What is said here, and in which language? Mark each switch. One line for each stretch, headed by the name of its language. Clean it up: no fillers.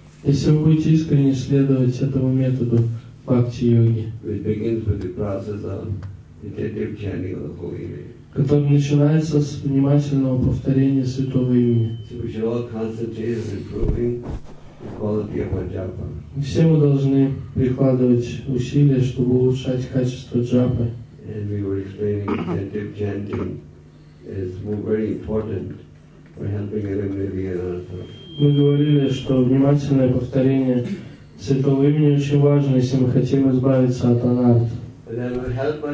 Russian: Если вы будете искренне следовать этому методу бхакти йоги,
English: which begins with the process of intensive chanting of the holy name,
Russian: который начинается с внимательного повторения святого имени.
English: So we should all concentrate on improving the quality of our japa.
Russian: Все мы должны прикладывать усилия, чтобы улучшать качество джапы.
English: And we were explaining intensive chanting is very important.
Russian: Мы говорили, что внимательное повторение святого имени очень важно, если мы хотим избавиться от анарт.